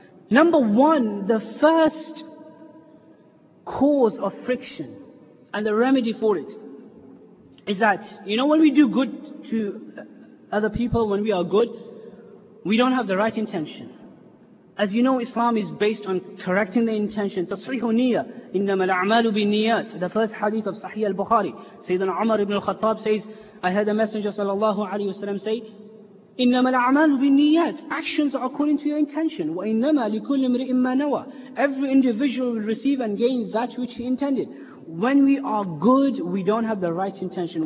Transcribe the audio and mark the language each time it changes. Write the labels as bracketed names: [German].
[English] Number one, the first cause of friction and the remedy for it is that, you know, when we do good to other people, when we are good, we don't have the right intention. As you know, Islam is based on correcting the intention. [Arabic] تصريح نية إنما الأعمال بالنيات. [English] The first hadith of Sahih al-Bukhari. Sayyidina Umar ibn al-Khattab says, I heard a messenger sallallahu alayhi wa sallam say, [Arabic] إنما الأعمال بالنيات. [English] Actions are according to your intention. [Arabic] وإنما لكل امرئ ما نوى. [English] Every individual will receive and gain that which he intended. When we are good, we don't have the right intention.